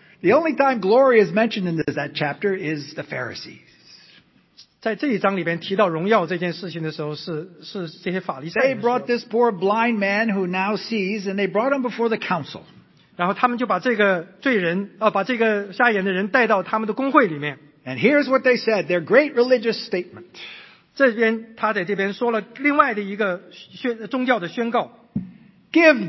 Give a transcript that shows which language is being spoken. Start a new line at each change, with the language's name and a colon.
English: The only time glory is mentioned in that chapter is the Pharisees.
Chinese: 在这一章里面提到荣耀这件事情的时候，是这些法利赛人。
English: They brought this poor blind man who now sees, and they brought him before the council.
Chinese: 然后他们就把这个罪人，把这个瞎眼的人带到他们的公会里面。
English: And here's what they said, their great religious statement.
Chinese: 这边他在这边说了另外的一个宗教的宣告。
English: Give